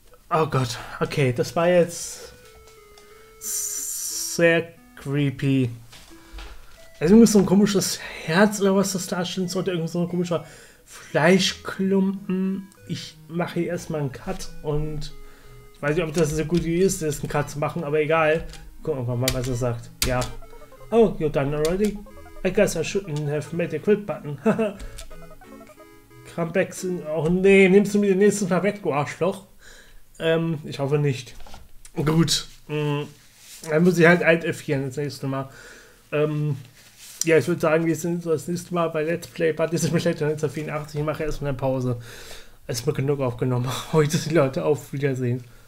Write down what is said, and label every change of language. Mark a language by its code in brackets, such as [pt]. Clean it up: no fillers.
[de] Oh Gott, okay, das war jetzt sehr creepy. Also irgendwie so ein komisches Herz oder was das da stehen sollte, irgendwie so ein komischer Fleischklumpen. Ich mache hier erstmal einen Cut und ich weiß nicht, ob das so gut ist, das einen Cut zu machen, aber egal. Gucken wir mal, was er sagt. Ja. [en] Oh, you're done already? I guess I shouldn't have made the quit button. Come back soon. [de] Oh nee, nimmst du mir den nächsten Mal weg, du Arschloch? Ich hoffe nicht. Gut. Dann muss ich halt Alt-F4 das nächste Mal. Ja, ich würde sagen, wir sind so das nächste Mal bei Let's Play Party Simulator 1984. Ich mache erstmal eine Pause. Es wird genug aufgenommen. Heute die Leute auf Wiedersehen.